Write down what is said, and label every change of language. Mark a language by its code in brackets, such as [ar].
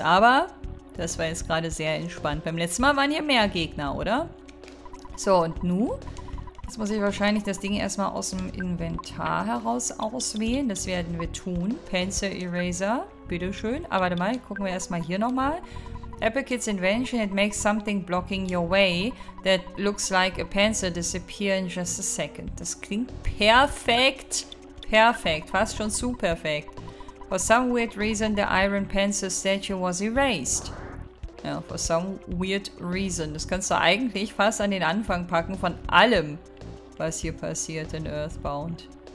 [de] Aber das war jetzt gerade sehr entspannt. Beim letzten Mal waren hier mehr Gegner, oder? So, und nu? Jetzt muss ich wahrscheinlich das Ding erstmal aus dem Inventar heraus auswählen. Das werden wir tun. Pencil Eraser. Bitteschön. Aber warte mal, gucken wir erstmal hier nochmal. [en] Apple Kids Invention, it makes something blocking your way that looks like a pencil disappear in just a second. [de] Das klingt perfekt. Perfekt. Fast schon zu perfekt. [en] For some weird reason, the iron pencil statue was erased. Ja, for some weird reason. [de] Das kannst du eigentlich fast an den Anfang packen von allem, was hier passiert in Earthbound.